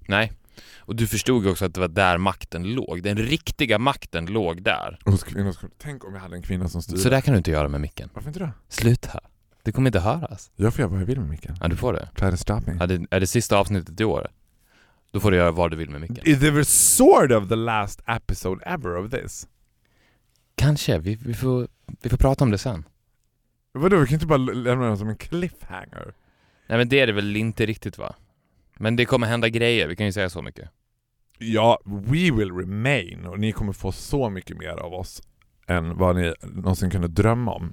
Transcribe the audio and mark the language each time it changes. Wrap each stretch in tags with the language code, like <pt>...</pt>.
<sv>Nej, och du förstod också att det var där makten låg, den riktiga makten låg där. Tänk om jag hade en kvinna som styrde. Så där kan du inte göra med micken. Varför inte då? Sluta. Det kommer inte höras. Jag får göra vad jag vill med micken. Ja, du får det.</sv> <en>Try to stop me.</en> <sv>Ja, är det sista avsnittet i år? Då får du göra vad du vill med micken.</sv> <en>Is there sort of the last episode ever of this?</en> <sv>Kanske. Vi får prata om det sen. Vadå? Vi kan inte bara lämna det som en cliffhanger. Nej, men det är det väl inte riktigt, va? Men det kommer hända grejer. Vi kan ju säga så mycket.</sv> <en>Ja, we will remain.</en> <sv>Och ni kommer få så mycket mer av oss än vad ni någonsin kunde drömma om.</sv>